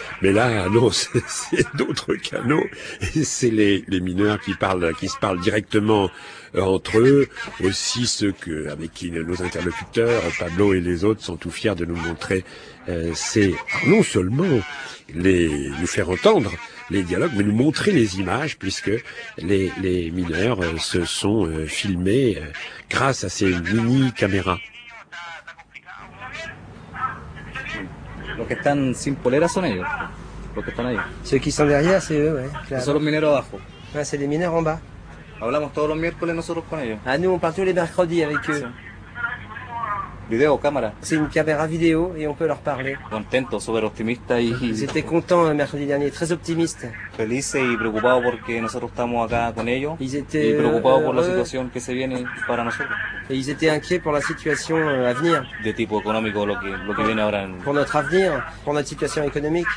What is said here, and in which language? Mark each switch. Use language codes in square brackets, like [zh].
[fr] Mais là, non, c'est d'autres canaux. Et c'est les mineurs qui se parlent directement entre eux, aussi avec qui nos interlocuteurs, Pablo et les autres, sont tout fiers de nous montrer, c'est non seulement nous faire entendre les dialogues, mais nous montrer les images, puisque les mineurs se sont filmés grâce à ces mini caméras. [es] Los que están sin polera son ellos. Los que están ahí. [fr] Ceux qui sont derrière, c'est eux, ouais. [es] Claro. Son los mineros abajo. [fr] Ouais, c'est les mineurs en bas. [es] Hablamos todos los miércoles nosotros con ellos. [fr] Ah, nous, on parle tous les mercredis avec eux. [es] Video, cámara. [fr] C'est une caméra vidéo et on peut leur parler. [es] Contento, super optimista y... [fr] Ils étaient contents mercredi dernier, très optimistes. [es] Felices y preocupados porque nosotros estamos acá con ellos. [fr] Ils étaient [es] preocupados por la situación que se viene para nosotros. [fr] Et ils étaient inquiets pour la situation à venir. [es] De tipo económico, lo que viene ahora. [fr] Pour notre avenir, pour notre situation économique.